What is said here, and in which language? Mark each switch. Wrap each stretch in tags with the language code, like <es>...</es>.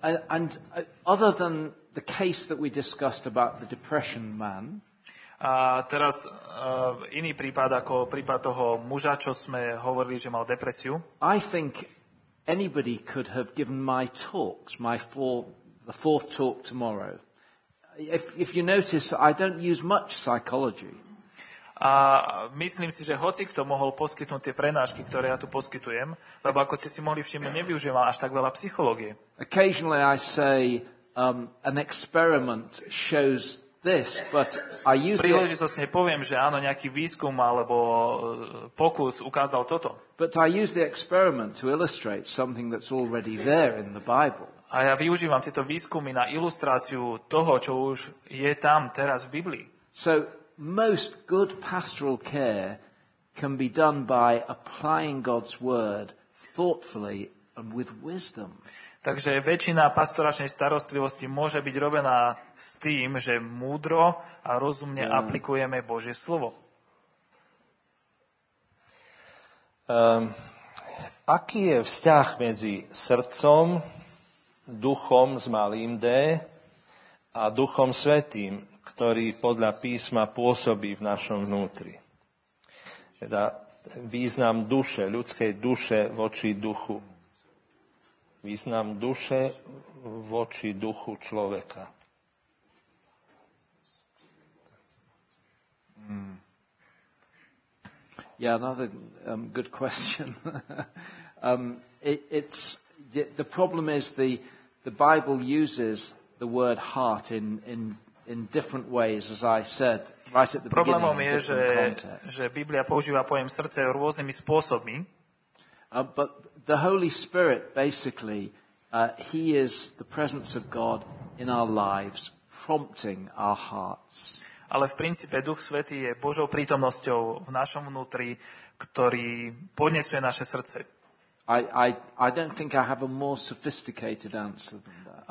<en>And other than the case that we discussed about the depression man.</en> <sk>A teraz iný prípad ako prípad toho muža, čo sme hovorili, že mal depresiu.</sk> <en>I think anybody could have given my talks, the fourth talk tomorrow. If you notice, I don't use much psychology.</en> <sk>A myslím si, že hocikto mohol poskytnúť tie prenášky, ktoré ja tu poskytujem, lebo ako ste si mohli všimnúť, nevyužíval až tak veľa psychológie.</sk> <en>Occasionally I say an experiment shows this, but I use</en> <sk>príležitostne poviem, že áno, nejaký výskum alebo pokus ukázal toto.</sk> <en>But I use the experiment to illustrate something that's already there in the Bible.</en> <sk>A ja využívam tieto výskumy na ilustráciu toho, čo už je tam teraz v Biblii.</sk> <en>So most good pastoral care can be done by applying God's word thoughtfully and with wisdom.</en> <sk>Takže väčšina pastoračnej starostlivosti môže byť robená s tým, že múdro a rozumne aplikujeme Božie slovo. Aký je vzťah medzi srdcom, duchom s malým D a duchom svätým, ktorý podľa písma pôsobí v našom vnútri? Teda význam duše, ľudskej duše voči duchu. Význam duše voči duchu človeka.</sk> <en>Yeah, another good question. the problem is the Bible uses the word heart in different ways, as I said right at the</en> <sk>problemom</sk> <en>beginning.</en> <sk>Problem je, že Biblia používa pojem srdce rôznymi spôsobmi.</sk> <en>But the Holy Spirit basically he is the presence of God in our lives, prompting our hearts.</en> <sk>Ale v princípe Duch Svätý je Božou prítomnosťou v našom vnútri, ktorý podnecuje naše srdce.</sk> <en>I don't think I have a more sophisticated answer than that.</en>